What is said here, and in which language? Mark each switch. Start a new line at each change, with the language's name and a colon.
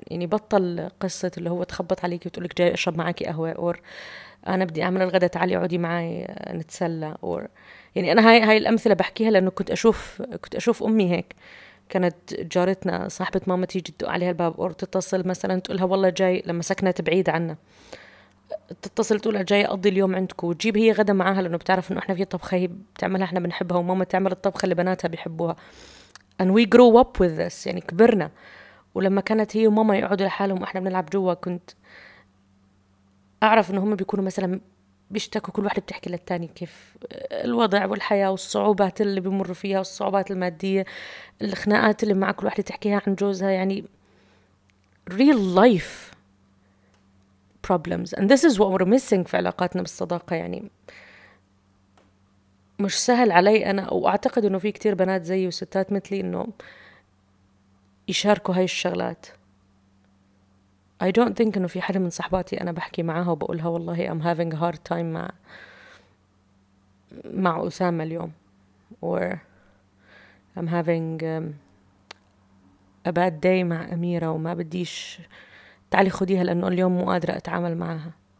Arabic: يعني بطل قصة اللي هو تخبط عليك وتقولك جاي أشرب معاكي قهوة، أور أنا بدي أعمل الغداء تعالي عودي معي نتسلى، أور يعني أنا هاي الأمثلة بحكيها لأنه كنت أشوف أمي هيك. كانت جارتنا صاحبة ماما تيجي تدق عليها الباب أو تتصل مثلا تقولها والله جاي، لما سكنت بعيد عنا تتصل تقولها جاي أقضي اليوم عندك وتجيب هي غدا معاها، لأنه بتعرف أنه إحنا في طبخة هي بتعملها إحنا بنحبها وماما تعمل الطبخة اللي بناتها بيحبوها.
English: And we grew up with this،
Arabic: يعني كبرنا. ولما كانت هي وماما يقعدوا لحالهم وإحنا بنلعب جوا كنت أعرف أنه هم بيكونوا مثلا بيشتكوا، كل واحدة بتحكي للتاني كيف الوضع والحياة والصعوبات اللي بمر فيها والصعوبات المادية، الخناقات اللي مع كل واحدة تحكيها عن جوزها. يعني
English: real life problems. And this is what we're missing
Arabic: في علاقاتنا بالصداقة. يعني مش سهل علي أنا, وأعتقد أنه في كتير بنات زي وستات مثلي أنه يشاركوا هاي الشغلات.
English: I don't think
Arabic: أنه في حدا من صحباتي أنا بحكي معها وبقولها والله
English: I'm having a hard time
Arabic: مع أسامة اليوم,
English: or I'm having a bad day
Arabic: مع أميرة وما بديش تعالي خديها لأنه اليوم مو قادرة أتعامل معها.